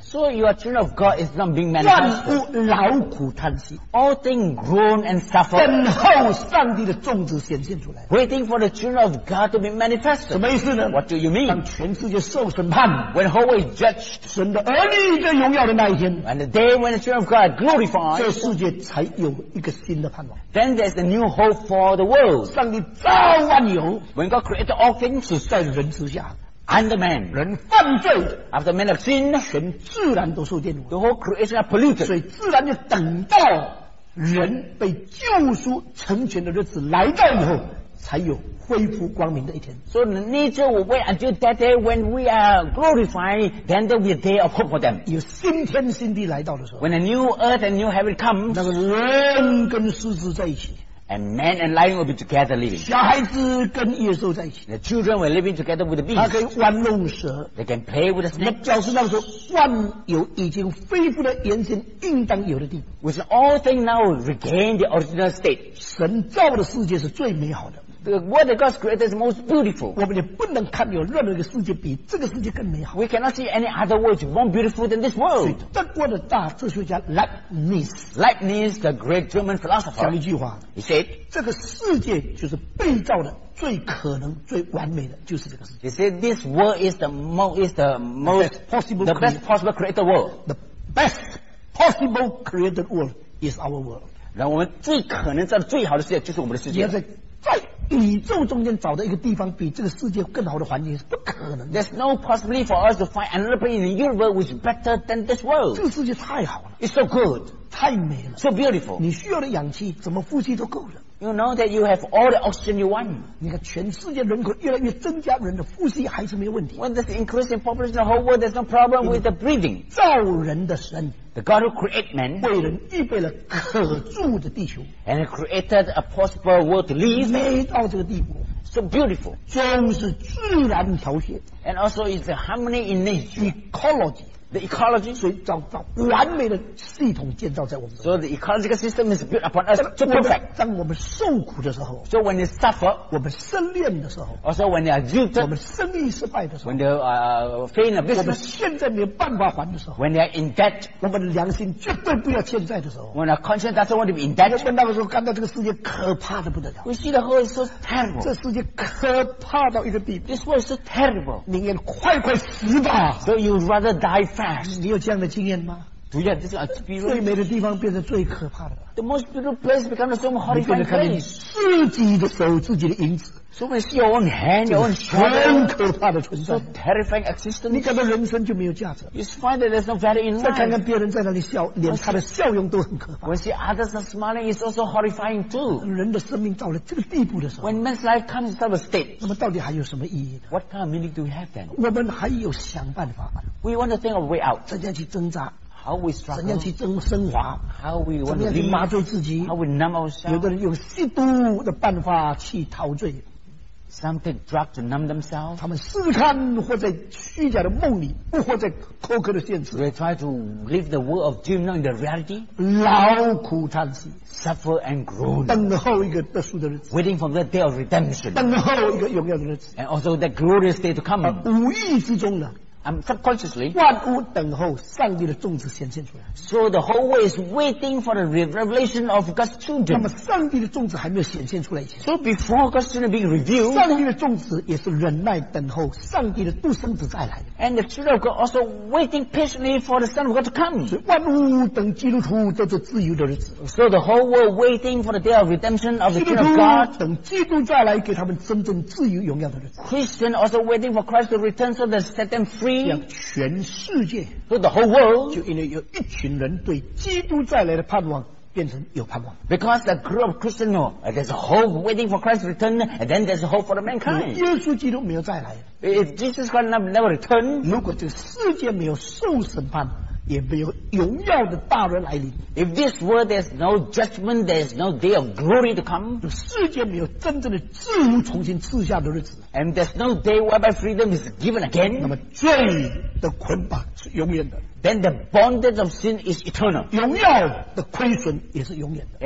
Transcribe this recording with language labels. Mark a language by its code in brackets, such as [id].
[en] So your children of God is not being manifested. [zh] 万物劳苦叹息。 [en] All things groan and suffer. [zh] 等候上帝的种子显现出来。 [en] Waiting for the children of God to be manifested. [zh] 什么意思呢 [en] ？What do you mean？ [zh] 当全世界受审判。 [en] When the whole world is judged. [zh] 神的儿女在荣耀的那一天。 [en] And the day when the children of God are glorified. [zh] 这世界才有一个新的盼望。 [en] Then there's a new hope for the world. [zh] 上帝造万有。 [en] When God created all things, [zh] 在人之下。 [en] Under man. [zh] 人犯罪。 [en] After man of sin, [zh] 全自然都受玷污。 [en] The whole creation are polluted. [zh] 所以自然就等到人被救赎成全的日子来到以后，才有恢复光明的一天。 [en] So nature will wait until that day when we are glorified, then there will be a day of hope for them. [zh] 有新天新地来到的时候。 [en] When a new earth and new heaven comes, [zh] 那个人跟狮子在一起。 [en] And man and lion will be together living. [zh] 小孩子跟野兽在一起。 [en] The children were living together with the beast. [zh] 他可以玩弄蛇。 [en] They can play with the snake. [zh] 那表示那个时候万有已经恢复了原先应当有的地。 [en] Which all things now regain the original state. [zh] 神造的世界是最美好的。 [en] The world that God created is most beautiful. [zh] 我们也不能看有任何一个世界比这个世界更美好。 [en] We cannot see any other world more beautiful than this world. [zh] 德国的大哲学家 Leibniz, [en] the great German philosopher, [zh] 讲一句话 [en] ，He said, [zh] 这个世界就是被造的最可能最完美的就是这个世界。 [en] He said, this world is the most possible, the best possible created world. The best possible created world is our world. [zh] 让我们最可能造的最好的世界就是我们的世界。宇宙中间找到一个地方比这个世界更好的环境是不可能的。 [en] There's no possibility for us to find another place in the universe which is better than this world. [zh] 这个世界太好了。 [en] It's so good. [zh] 太美了 [en] ，so beautiful。 [zh] 你需要的氧气怎么呼吸都够了。 [en] You know that you have all the oxygen you want。 [zh] 你看全世界人口越来越增加，人的呼吸还是没有问题。 [en] When there's increasing population of the whole world, there's no problem with the breathing。 [zh] 造人的神 [en] ，the God who created man， [zh] 为人预备了可住的地球 [en] ，and created a possible world to live。 [zh] 美到这个地步。 [en] So beautiful， [zh] 真是自然调谐 [en] ，and also is harmony in nature， ecology， the ecology， [zh] 所以找完美的系统建造在我们。 [en] So the ecological system is built upon us to perfect。 [zh] 当我们受苦的时候 [en] ，so when you suffer， [zh] 我们失恋的时候 [en] ，also when you are jilted， [zh] 我们生意失败的时候 [en] ，when you fail in a business， [zh] 我们现在没有办法还的时候 [en] ，when you are in debt， [zh] 我们的良心绝对不要欠债的时候 [en] ，when our conscience doesn't want to be in debt， [zh] 我们那个时候看到这个世界可怕的不得了 [en] ，we see the whole so terrible， [zh] 这世界可怕到一个地步 [en] ，this world is so terrible， [zh] 宁愿快快死吧 [en] ，so you rather die fast， [zh] 你有这样的经验吗？主要就是啊，比如最美的地方变成最可怕的了。 [en] The most beautiful place becomes so horrifying. [zh] 你看你自己的手，自己的影子。 [en] So when you see your own hand, your own shadow, [zh] 很可怕的存在。 [en] So terrifying existence. [zh] 你感到人生就没有价值。 [en] You find that there's no value in life. [zh] 再看看别人在那里笑，连他的笑容都很可怕。 [en] When you see others are smiling, it's also horrifying too. [zh] 人的生命到了这个地步的时候 [en] ，When man's life comes to a state, [zh] 那么到底还有什么意义呢 [en] ？What kind of meaning do we have then? [zh] 我们还有想办法。 [en] We want to think of a way out. [zh] 怎样去挣扎？ [en] How we struggle, [zh] 怎样去增升华 [en] how we [zh] 怎样去麻醉自己 [en] how we numb ourselves, [zh] 有的人用吸毒的办法去陶醉 [en] Some take drugs to numb themselves, [zh] 他们试探活在虚假的梦里不活在苛刻的现实 [en] They try to live the world of dream not in the reality [zh] 劳苦叹息 [en] Suffer and groan [zh] 等候一个得赎的日子 [en] Waiting for the day of redemption [zh] 等候一个荣耀的日子 [en] And also that glorious day to come [zh] 无意之中呢 [en] I'm subconsciously [zh] 万物等候上帝的种子显现出来 [en] So the whole world is waiting for the revelation of God's children [zh] 那么上帝的种子还没有显现出来以前 [en] So before God's children being revealed [zh] 上帝的种子也是忍耐等候上帝的独生子再来 [en] And the children of God also waiting patiently for the Son of God to come [zh] 所以万物等基督徒得着自由的日子 [en] So the whole world waiting for the day of redemption of the Son of God [zh] 等基督再来给他们真正自由荣耀的日子 [en] Christian also waiting for Christ to return so they set them free [zh] 全世界 [en] so the whole world [zh] 就因为有一群人对基督再来的盼望变成有盼望 [en] because the group of Christians there's a hope waiting for Christ's return and then there's a hope for the mankind [zh] 耶稣基督没有再来 [en] if Jesus Christ never return [zh] 如果这世界没有受审判也没有荣耀的大日来临 [en] if this world there's no judgment there's no day of glory to come [zh] 这世界没有真正的自由重新赐下的日子 [en] and there's no day whereby freedom is given again [zh] 那么罪的捆绑是永远的 [en] then the bondage of sin is eternal [zh] 荣耀的亏损也是永远的